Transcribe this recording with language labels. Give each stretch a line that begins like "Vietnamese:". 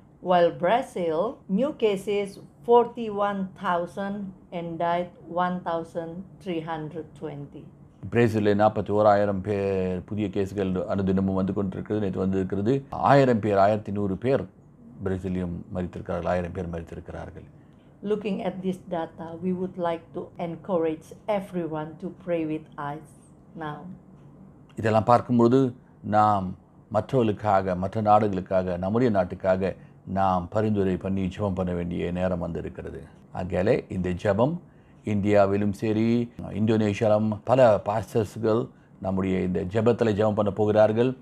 English: While Brazil new cases 41,000 and died 1,320.
Tamil: பிரேசிலே 41,000 பேர் புதிய கேஸ்கள் அனுதினமும் வந்து கொண்டிருக்கிறது. நேற்று வந்திருக்கிறது 1,100 பேர் பிரேசிலியும் மரித்திருக்கிறார்கள், 1,000 பேர் மரித்திருக்கிறார்கள்.
English: Looking at this data, we would like to encourage everyone to pray with us now.
Tamil: இதெல்லாம் பார்க்கும்போது நாம் மற்றவர்களுக்காக, மற்ற நாடுகளுக்காக, நம்முடைய நாட்டுக்காக நாம் பரிந்துரை பண்ணி ஜெபம் பண்ண வேண்டிய நேரம் வந்திருக்கிறது. ஆகையாலே இந்த ஜெபம் இந்தியாவிலும் சரி, இந்தோனேஷியாவிலும் பல பாஸ்டர்ஸ்கள் நம்முடைய இந்த ஜெபத்தில் ஜெபம் பண்ண போகிறார்கள்.